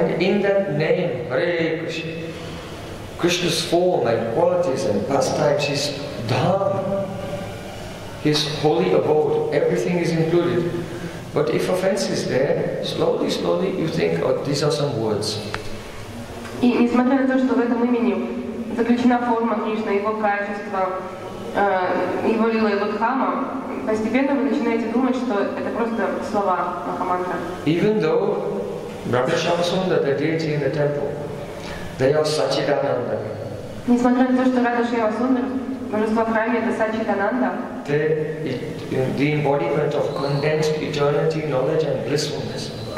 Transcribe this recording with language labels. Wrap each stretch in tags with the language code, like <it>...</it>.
<en>And in that name, Hare Krishna, Krishna's form and qualities and pastimes is dharma. His holy abode, everything is included. But if offense is there, slowly, slowly you think, oh, these are some words.</en> <ru>И несмотря на то, что в этом имени заключена форма Кришны, его качества, его лила, его дхама, постепенно вы начинаете думать, что это просто слова, махамантра.</ru> <en>Even though Brahma Shamsunda, the deity in the temple, they are Satchidananda.</en> <ru>Несмотря на то, что Радха Шьямасундра, божество в храме, это Сачидананда.</ru> <en>The embodiment of condensed eternity, knowledge and blissfulness.</en>